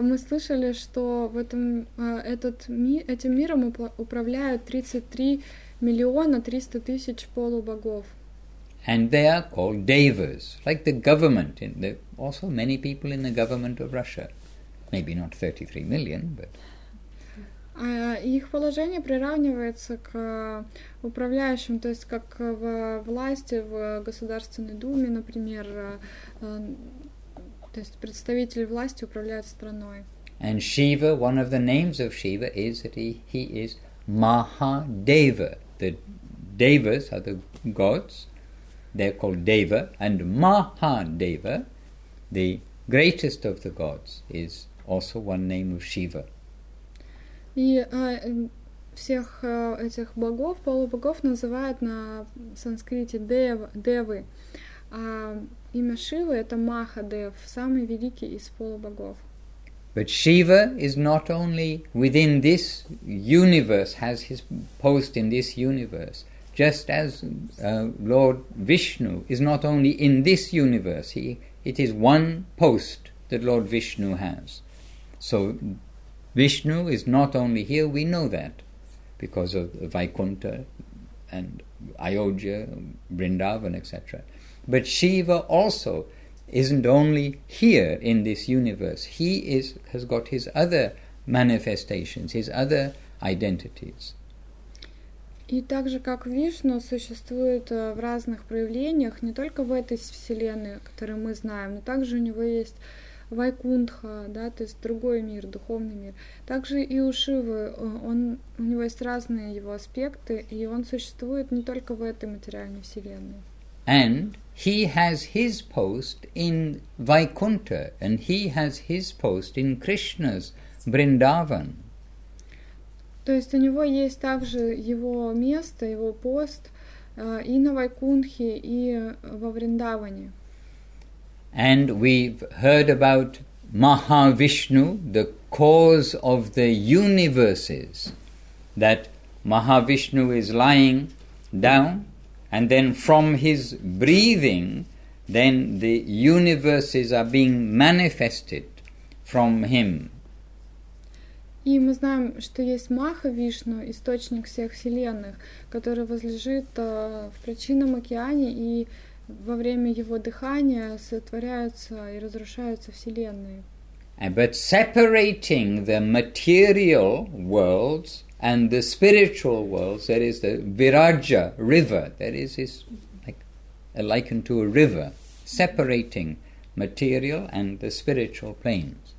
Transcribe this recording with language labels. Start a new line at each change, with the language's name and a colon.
Russian: Мы слышали, что в этом этим миром управляют 33,300,000 полубогов.
English: And they are called devas, like the government. There are also many people in the government of Russia. Maybe not 33 million, but...
Russian: Их положение приравнивается к управляющим, то есть как в власти, в Государственной Думе, например. То есть представители власти управляют страной.
English: And Shiva, one of the names of Shiva is that he is Mahadeva. The devas are the gods. They're called Deva, and Mahadeva, the greatest of the gods, is also one name of Shiva.
Russian: И всех этих богов, полубогов, называют на санскрите Девы. А имя Шивы — это Махадев, самый великий из полубогов.
English: But Shiva is not only within this universe, has his post in this universe. Just as Lord Vishnu is not only in this universe, it is one post that Lord Vishnu has. So Vishnu is not only here, we know that, because of Vaikuntha and Ayodhya, Vrindavan, etc. But Shiva also isn't only here in this universe. He has got his other manifestations, his other identities.
Russian: И так же, как Вишну, существует в разных проявлениях, не только в этой вселенной, которую мы знаем, но также у него есть Вайкунтха, да, то есть другой мир, духовный мир. Также и у Шивы, у него есть разные его аспекты, и он существует не только в этой материальной вселенной.
English: And he has his post in Vaikuntha, and he has his post in Krishna's Vrindavan.
Russian: То есть у него есть также его место, его пост и на Вайкунтхе, и во Вриндаване.
English: And we've heard about Mahavishnu, the cause of the universes, that Mahavishnu is lying down, and then from his breathing, then the universes are being manifested from him.
Russian: И мы знаем, что есть Маха-Вишну, источник всех вселенных, который возлежит в причинном океане, и во время его дыхания сотворяются и разрушаются вселенные.
English: But separating the material worlds and the spiritual worlds, there is the Viraja river, there is this likened to a river, separating material and the spiritual plane.